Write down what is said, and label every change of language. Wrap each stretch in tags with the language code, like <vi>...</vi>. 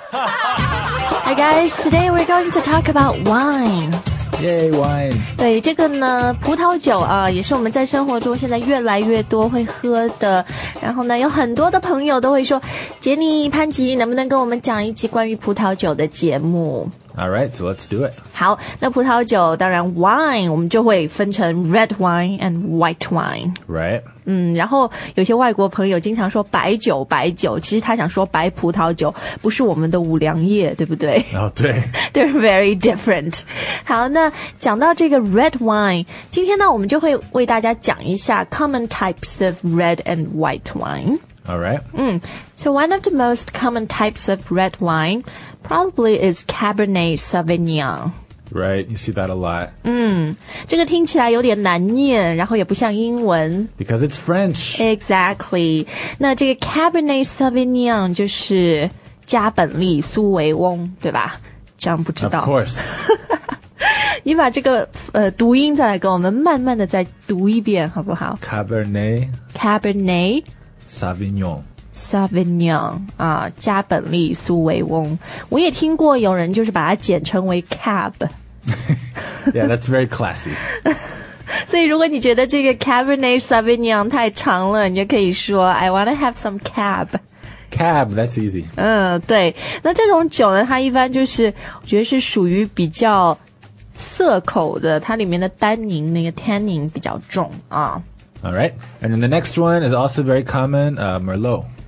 <en>Hi guys, today we're going to talk about wine. Yay, wine.</en> <zh>对，这个呢，葡萄酒啊，也是我们在生活中现在越来越多会喝的。然后呢，有很多的朋友都会说，杰尼、潘吉，能不能跟我们讲一期关于葡萄酒的节目？</zh> <en>All right, so let's do it.</en> <zh>好，那葡萄酒当然 wine 我们就会分成</zh> <en>red wine and white wine. Right.</en> <zh>然后有些外国朋友经常说白酒白酒，其实他想说白葡萄酒，不是我们的五粮液，对不对？哦、oh, 对。</zh> <en>They're very different.</en> <zh>好，那讲到这个 red wine, 今天呢我们就会为大家讲一下</zh> <en>common types of red and white wine. Alright. So one of the most common types of red wine probably is Cabernet Sauvignon. Right, you see that a lot.</en> <zh>这个听起来有点难念，然后也不像英文。</zh> <en>Because it's French. Exactly.</en> <zh>那这个 Cabernet Sauvignon 就是加本利苏维翁，对吧？这样不知道。</zh> <en>Of course.</en> <zh>你把这个读音再来跟我们慢慢的再读一遍，好不好？</zh> <en>Cabernet. Cabernet. Sauvignon.</en> <zh>Sauvignon, 啊，加本利苏维翁。我也听过有人就是把它简称为 Cab.</zh> <en>Yeah, that's very classy.</en> <zh>所以如果你觉得这个 Cabernet Sauvignon 太长了，你就可以说</zh> <en>I want to have some Cab. Cab, that's easy.</en> <zh>对。那这种酒呢，它一般就是我觉得是属于比较涩口的，它里面的单宁那个 tannin 比较重啊。</zh> <en>Alright, and then the next one is also very common, Merlot.</en>